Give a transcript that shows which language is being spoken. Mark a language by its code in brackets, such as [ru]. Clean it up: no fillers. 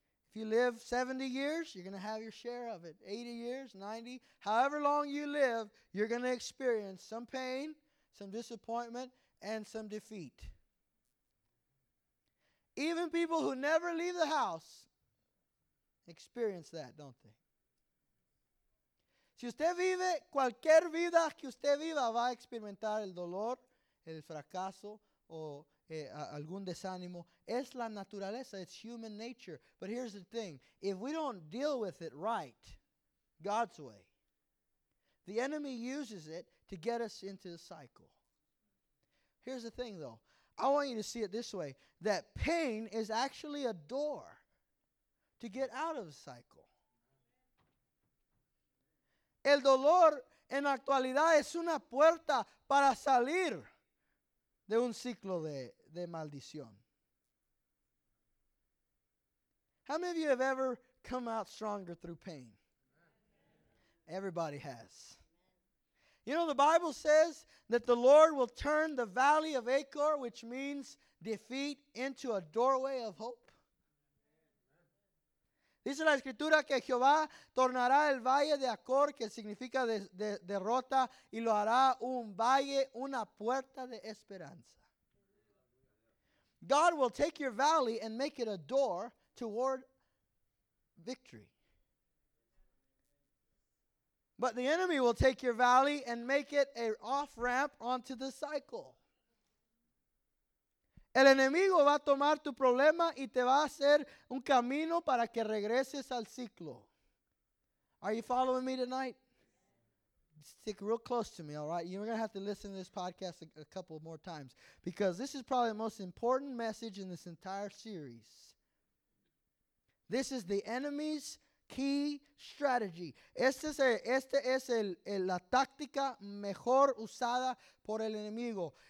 [en] If you live 70 years, you're going to have your share of it. 80 years, 90, however long you live, you're going to experience some pain, some disappointment, and some defeat. Even people who never leave the house experience that, don't they? [es] Si usted vive cualquier vida que usted viva, va a experimentar el dolor, el fracaso, o algún desánimo. Es la naturaleza, [en] it's human nature. But here's the thing, if we don't deal with it right, God's way, the enemy uses it to get us into the cycle. Here's the thing though, I want you to see it this way, that pain is actually a door to get out of the cycle. [es] El dolor en actualidad es una puerta para salir de un ciclo de maldición. [en] How many of you have ever come out stronger through pain? Everybody has. You know, the Bible says that the Lord will turn the valley of Achor, which means defeat, into a doorway of hope. [es] Dice la Escritura que Jehová tornará el valle de Acor, que significa derrota, y lo hará un valle, una puerta de esperanza. [en] God will take your valley and make it a door toward victory. But the enemy will take your valley and make it an off-ramp onto the cycle. [es] El enemigo va a tomar tu problema y te va a hacer un camino para que regreses al ciclo. [en] Are you following me tonight? Stick real close to me, all right? You're going to have to listen to this podcast a couple more times because this is probably the most important message in this entire series. This is the enemy's key strategy. [es] Esta es la táctica mejor usada por el enemigo.